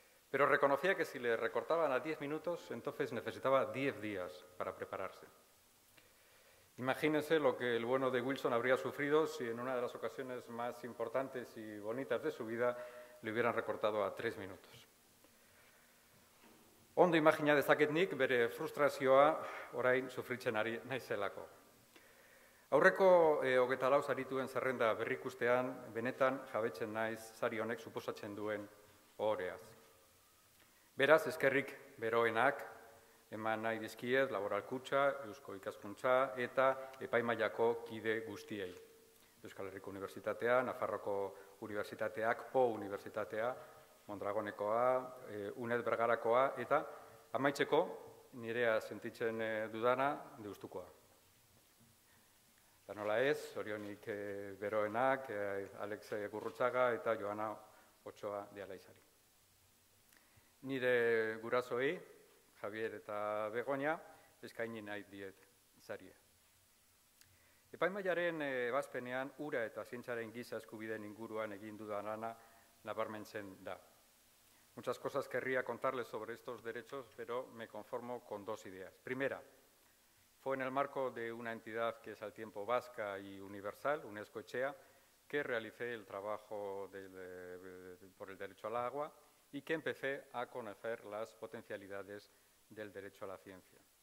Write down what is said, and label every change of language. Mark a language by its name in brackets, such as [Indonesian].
[Spanish] Pero reconocía que si le recortaban a 10 minutos, entonces necesitaba 10 días para prepararse. Imagínense lo que el bueno de Wilson habría sufrido si en una de las ocasiones más importantes y bonitas de su vida le hubieran recortado a 3 minutos. [Basque] Ondo imagina dezaket nik bere frustrazioa orain sufritzen ari naizelako. Aurreko 24 sarituen zerrenda berrikustean, benetan jabetzen naiz sari honek suposatzen duen ohoreaz. Beraz, eskerrik beroenak eman nahi dizkiet Laboralkutxa, Eusko Ikaskuntza eta epaimailako kide guztiei. Euskal Herriko Unibertsitatea, Nafarroko Unibertsitateak, Po Unibertsitatea, Mondragonekoa, UNED Bergarakoa eta amaitzeko nirea sentitzen dudana Deustukoa. Eta nola ez, zorionik beroenak, Alex Gurrutxaga eta Joana Otsoa Dialaizari. Nire gurasoei, Javier eta Begoña, eskaini nahi diet zarie. Epaimaiaren ebazpenean ura eta zientzaren giza eskubideen inguruan egin dudan lana nabarmentzen da. [Spanish] Muchas cosas querría contarles sobre estos derechos, pero me conformo con dos ideas. Primera, fue en el marco de una entidad que es al tiempo vasca y universal, UNESCO Echea, que realicé el trabajo por el derecho al agua y que empecé a conocer las potencialidades del derecho a la ciencia.